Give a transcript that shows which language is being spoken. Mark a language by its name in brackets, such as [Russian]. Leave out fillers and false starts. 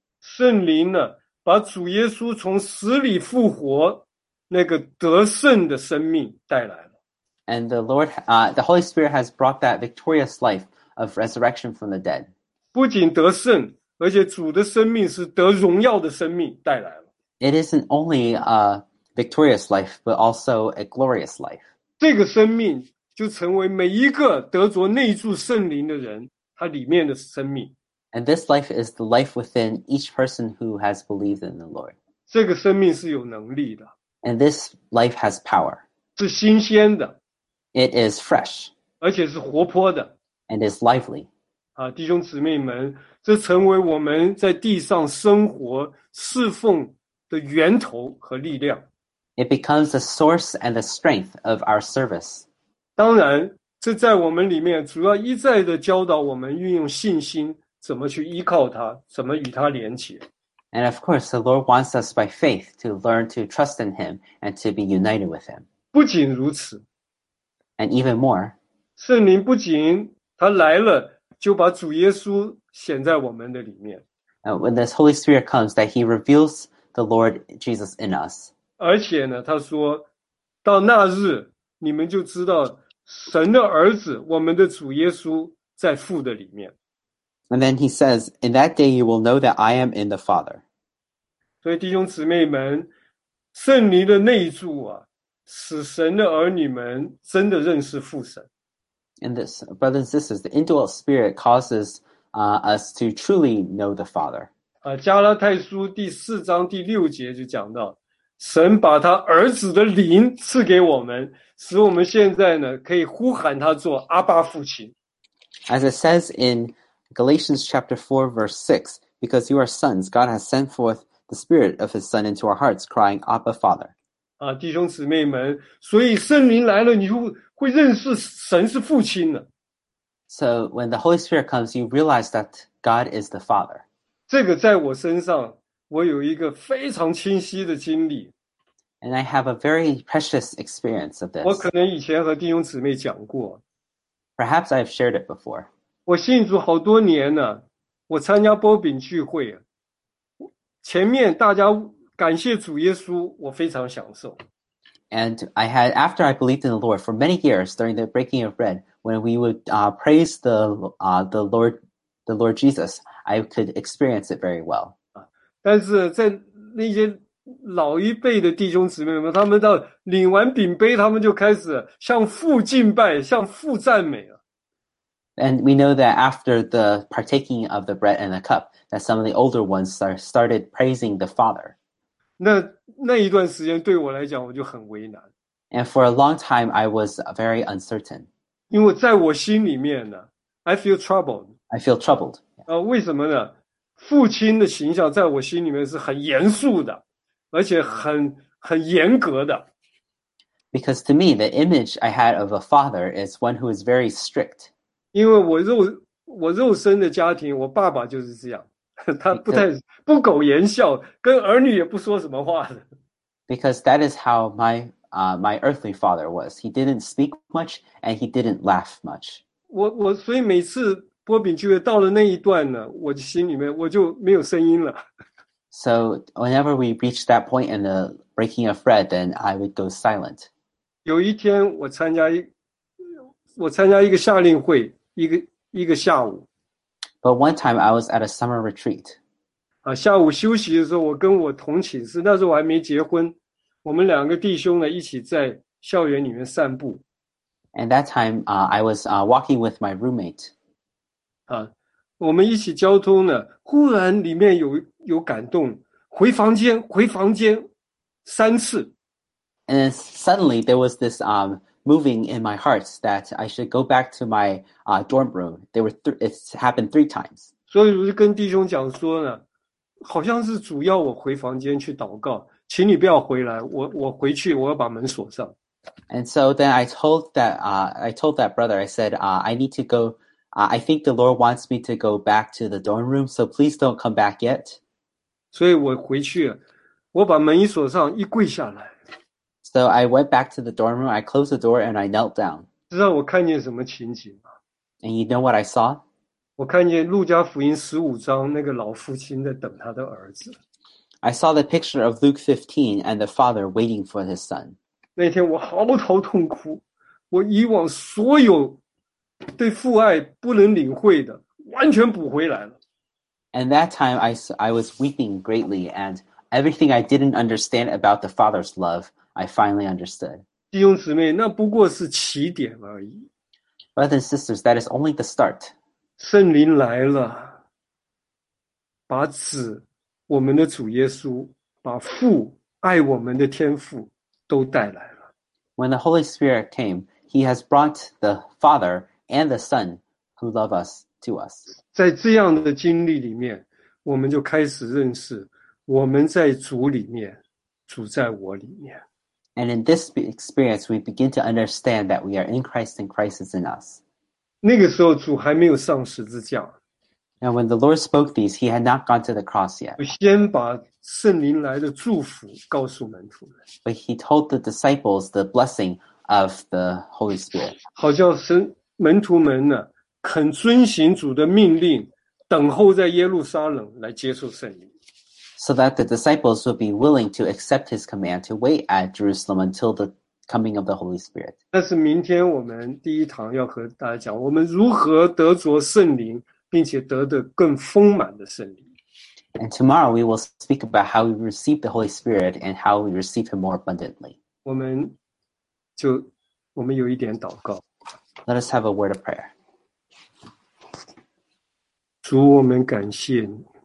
[Chinese] 圣灵呢，把主耶稣从死里复活，那个得胜的生命带来了。 [English] And the Lord, the Holy Spirit has brought that victorious life of resurrection from the dead. [Chinese] 不仅得胜，而且主的生命是得荣耀的生命带来了。 [English] It isn't only a victorious life, but also a glorious life. [Chinese] 这个生命就成为每一个得着内住圣灵的人，他里面的生命。 [English] And this life is the life within each person who has believed in the Lord. [Chinese] 这个生命是有能力的。 [English] And this life has power. [Chinese] 是新鲜的。 [English] It is fresh. [Chinese] 而且是活泼的。 [English] And is lively. [Chinese] 弟兄姊妹们，这成为我们在地上生活侍奉的源头和力量。 [English] It becomes the source and the strength of our service. [Chinese] 当然，这在我们里面主要一再的教导我们运用信心怎么去依靠他，怎么与他连结。 [English] And of course, the Lord wants us by faith to learn to trust in him and to be united with him. [Chinese] 不仅如此。 [English] And even more. [Chinese] 圣灵不仅他来了就把主耶稣显在我们的里面。 [English] When this Holy Spirit comes, that he reveals the Lord Jesus in us. [Chinese] 而且呢，他说，到那日，你们就知道神的儿子，我们的主耶稣在父的里面。 [English] And then he says, in that day you will know that I am in the Father. [Chinese] 所以弟兄姊妹们，圣灵的内住啊，使神的儿女们真的认识父神。 [English] And this, brothers and sisters, the indwelt spirit causes us to truly know the Father. [Chinese] 加拉太书第四章第六节就讲到，神把他儿子的灵赐给我们，使我们现在呢可以呼喊他做阿爸父亲。 [English] As it says in Galatians chapter 4 verse 6, because you are sons, God has sent forth the spirit of his son into our hearts, crying, Abba, Father. [Chinese] 弟兄姊妹们，所以圣灵来了，你就会认识神是父亲了。 [English] So when the Holy Spirit comes, you realize that God is the Father. [Chinese] 这个在我身上，我有一个非常清晰的经历。 [English] And I have a very precious experience of this. [Chinese] 我可能以前和弟兄姊妹讲过。 [English] Perhaps I've shared it before. [Chinese] 我信主好多年了，我参加波饼聚会，前面大家感谢主耶稣，我非常享受。 [English] And I had, after I believed in the Lord for many years during the breaking of bread, when we would praise the Lord Jesus, I could experience it very well. [Chinese] 但是在那些老一辈的弟兄姊妹们，他们到领完饼杯，他们就开始向父敬拜，向父赞美了。 [English] And we know that after the partaking of the bread and the cup, that some of the older ones started praising the Father. [Chinese] 那一段时间对我来讲，我就很为难。 [English] And for a long time, I was very uncertain. [Chinese] 因为在我心里面呢， [English] I feel troubled. I feel troubled. [Chinese] 为什么呢？父亲的形象在我心里面是很严肃的，而且很严格的。 [English] Because to me, the image I had of a father is one who is very strict. [Chinese] 因为我肉身的家庭，我爸爸就是这样，他不苟言笑，跟儿女也不说什么话的。 [English] Because that is how my earthly father was. He didn't speak much and he didn't laugh much. [Chinese] 我所以每次波饼聚会到了那一段呢，我心里面我就没有声音了。 [English] So whenever we reached that point in the breaking of bread, then I would go silent. [Chinese] 有一天我参加一个夏令会，一个下午。 [English] But one time I was at a summer retreat. [Chinese] 下午休息的时候，我跟我同寝室，那时候我还没结婚，我们两个弟兄呢一起在校园里面散步。 [English] And that time, I was walking with my roommate. [Chinese] 我们一起交通呢，忽然里面有感动，回房间三次。 [English] And then suddenly there was this moving in my heart that I should go back to my dorm room. It's happened three times. [Chinese] 所以我就跟弟兄讲说呢，好像是主要我回房间去祷告，请你不要回来，我回去我要把门锁上。 [English] And so then I told that brother, I said, I need to go, I think the Lord wants me to go back to the dorm room, so please don't come back yet. [Chinese] 所以我回去了，我把门一锁上，一跪下来。 [English] So I went back to the dorm room, I closed the door and I knelt down. [Chinese] 知道我看见什么情景吗？ [English] And you know what I saw? [Chinese] 我看见路加福音十五章那个老父亲在等他的儿子。 [English] I saw the picture of Luke 15 and the father waiting for his son. [Chinese] 那天我嚎啕痛哭，我以往所有对父爱不能领会的完全补回来了。 [English] And that time I was weeping greatly and everything I didn't understand about the father's love, I finally understood. [Chinese] 弟兄姊妹，那不过是起点而已。 [English] Brothers and sisters, that is only the start. [Chinese] 圣灵来了，把子我们的主耶稣，把父爱我们的天父都带来了。 [English] When the Holy Spirit came, he has brought the Father and the Son who love us to us. [Chinese] 在这样的经历里面，我们就开始认识，我们在主里面，主在我里面。 [English] And in this experience, we begin to understand that we are in Christ and Christ is in us. [Chinese] 那个时候主还没有上十字架。 [English] And when the Lord spoke these, he had not gone to the cross yet. [Chinese] 先把圣灵来的祝福告诉门徒们。 [English] But he told the disciples the blessing of the Holy Spirit. [Chinese] 好叫门徒们呢，肯遵行主的命令，等候在耶路撒冷来接受圣灵。 [English] So that the disciples would be willing to accept his command to wait at Jerusalem until the coming of the Holy Spirit. [Chinese] 那是明天我们第一堂要和大家讲，我们如何得着圣灵，并且得的更丰满的圣灵。 [English] And tomorrow we will speak about how we receive the Holy Spirit and how we receive him more abundantly. [Chinese] 我们有一点祷告。 [English] Let us have a word of prayer. [Chinese] 主，我们感谢你。